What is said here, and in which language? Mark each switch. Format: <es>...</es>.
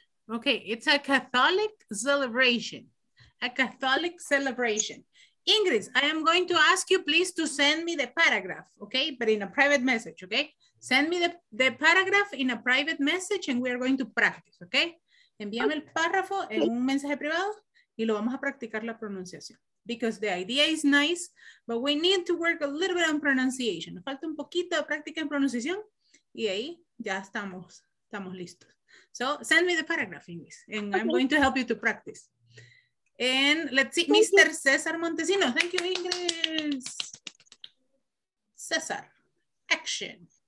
<en>Okay, it's a Catholic celebration. A Catholic celebration. Ingrid, I am going to ask you please to send me the paragraph, okay? But in a private message, okay? Send me the paragraph in a private message and we are going to practice, okay?</en> <es>Envíame el párrafo en un mensaje privado y lo vamos a practicar la pronunciación.</es> <en>Because the idea is nice, but we need to work a little bit on pronunciation.</en> <es>Falta un poquito de práctica en pronunciación y ahí ya estamos listos.</es> <en>So send me the paragraph, Ingrid, and okay. I'm going to help you to practice. And let's see, Mr. Cesar Montesino. Thank you, Ingrid. Cesar, action.</en>